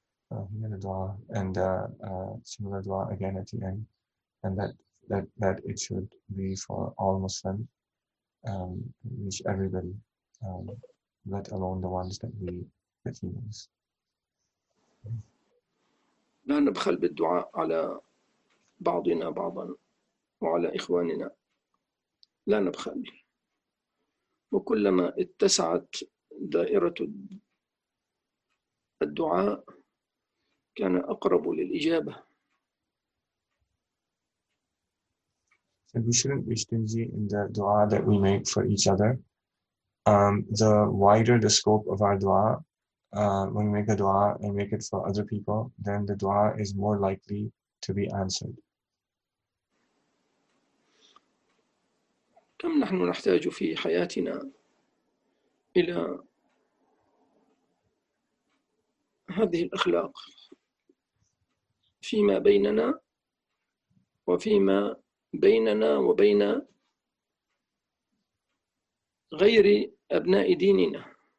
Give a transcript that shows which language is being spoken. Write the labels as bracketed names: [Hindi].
[English] He made a dua, and similar dua again at the end, and that it should be for all Muslims, reach everybody, let alone the ones that we that he knows. [Arabic] لا نبخل بالدعاء على بعضنا بعضا وعلى إخواننا، لا نبخل. وكلما اتسعت دائرة الدعاء كان أقرب للإجابة. [English] And we shouldn't be stingy in the dua that we make for each other. The wider the scope of our dua, when we make a dua and make it for other people, then the dua is more likely to be answered. [Arabic] كم نحن نحتاج في حياتنا إلى هذه الأخلاق فيما بيننا وفيما بيننا وبين غير أبناء ديننا.